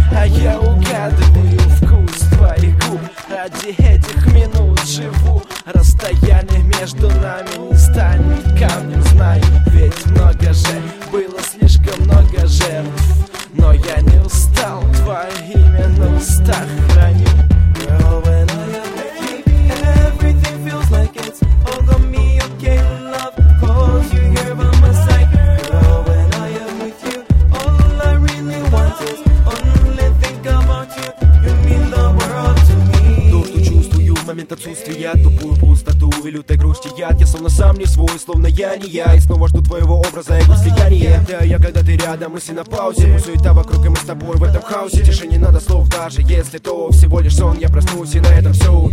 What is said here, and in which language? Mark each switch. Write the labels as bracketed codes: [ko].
[ru] А я угадываю вкус твоих губ, ради этих минут живу. Расстояние между нами не станет камнем, знаю. Ведь много же было, слишком много жертв, но я не устал, твое имя на устах храню. [en] Girl, when I am with you, everything feels like it's all gonna be okay, love. Cause you here by my side. Girl, when I am with you, all I really want is only think about you. You mean the world to me. [ru] То, что чувствую в момент отсутствия, тупую пустоту и лютой грусти яд. Я словно сам не свой, словно я не я, и снова жду твоего образа, его слияние. Да, я когда ты рядом, мысли на паузе, но суета вокруг, и мы с тобой в этом хаосе. Тишине надо слов, даже если то всего лишь сон. Я проснусь, и на этом все.